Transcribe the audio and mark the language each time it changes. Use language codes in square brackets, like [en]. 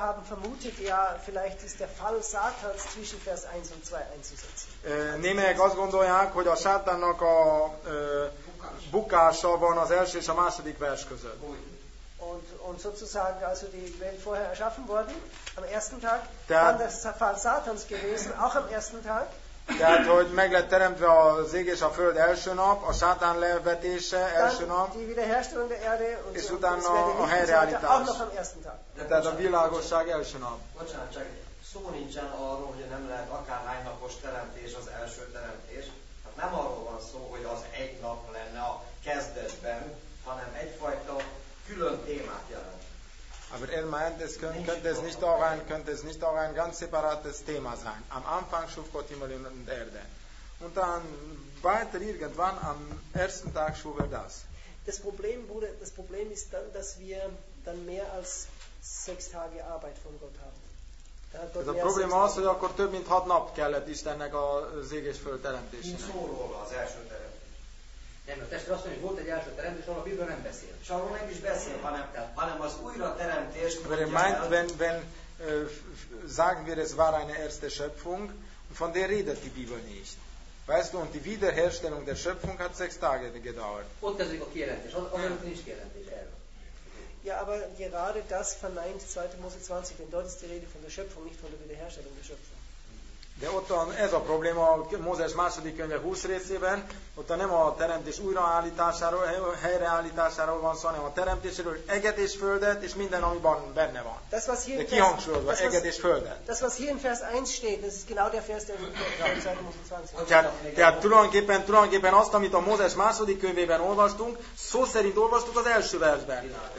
[de] haben vermutet, ja, vielleicht ist der Fall Satans zwischen Vers 1 und 2 einzusetzen. [hu] Némelyek azt gondolják, hogy a sátánnak a bukása van az első és a második vers között. [de] Und sozusagen, also die Welt vorher erschaffen worden, am ersten Tag, dann der Fall Satans gewesen, auch am ersten Tag. [hu] Tehát, hogy meg lett teremtve az ég és a föld első nap, a sátán levetése első nap, és utána a helyreállítás. Tehát a világosság első nap. Bocsánat, csak szó nincsen arról, hogy nem lehet akárhány napos teremtés az első teremtés. Hát nem arról van szó, hogy az egy nap lenne a kezdetben, hanem egyfajta külön témát jelent. [de] Aber er meint, es könnte es nicht auch ein ganz separates Thema sein. Am Anfang schuf Gott Himmel und Erde. Und dann weiter irgendwann am ersten Tag schuf er das. Das Problem ist dann, dass wir dann mehr als 6 Tage Arbeit von Gott haben. Ez a probléma az, hogy akkor több mint 6 nap kellett Istennek az ég és föld teremtésének. [hu] Mi szól róla az első teremtés? Nem, a testvér azt mondja, hogy volt egy első teremtés, arra a Biblia nem beszél. És arról nem is beszél, hanem az újra teremtés. [de] Mert meint, wenn sagen wir, es war eine erste Schöpfung, und von der redet die Bibel nicht. Weißt du, und die Wiederherstellung der Schöpfung hat 6 Tage gedauert. [hu] Ott kezdődik a kijelentés, az nem nincs kijelentés erről. [de] Ja, aber gerade das verneint 2. Mose 20, denn dort ist die Rede von der Schöpfung, nicht von der Wiederherstellung der Schöpfung. [hu] De ott van ez a probléma a Mózes második könyve 20 részében, ott nem a teremtés újraállításáról, helyreállításáról van szó, hanem a teremtésről, eget és földet, és minden, amiben benne van. [de] Das, was hier [hu] de kihangsúlyozva, eget és földet. [de] Das, was hier in Vers 1 steht, das ist genau der Vers, der [hu] in 2. Mózes 20. Tehát tulajdonképpen azt, amit a Mózes második könyvében olvastunk, szó szerint olvastuk az első versben.